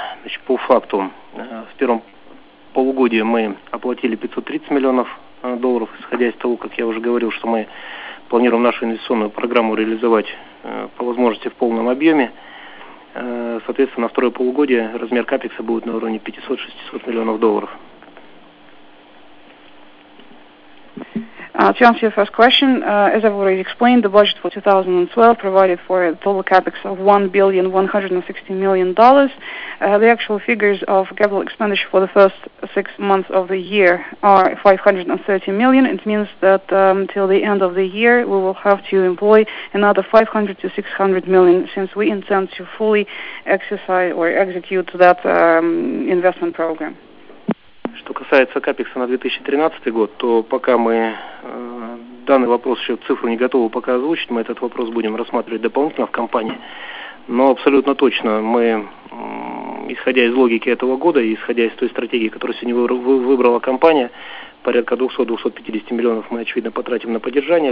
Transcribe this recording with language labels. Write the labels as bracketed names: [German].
[Russian] Значит, по факту, в первом полугодии мы оплатили 530 миллионов долларов, исходя из того, как я уже говорил, что мы планируем нашу инвестиционную программу реализовать по возможности в полном объеме. Соответственно, второе полугодие размер капекса будет на уровне 500-600 миллионов долларов. [English] To answer your first question, as I've already explained, the budget for 2012 provided for a total capex of $1,160,000,000. The actual figures of capital expenditure for the first 6 months of the year are $530 million. It means that till the end of the year, we will have to employ another $500 to $600 million, since we intend to fully exercise or execute that investment program. [Russian] Что касается капекса на 2013 год, то пока мы данный вопрос еще цифру не готовы пока озвучить, мы этот вопрос будем рассматривать дополнительно в компании. Но абсолютно точно мы, исходя из логики этого года и исходя из той стратегии, которую сегодня выбрала компания, порядка 200-250 миллионов мы, очевидно, потратим на поддержание.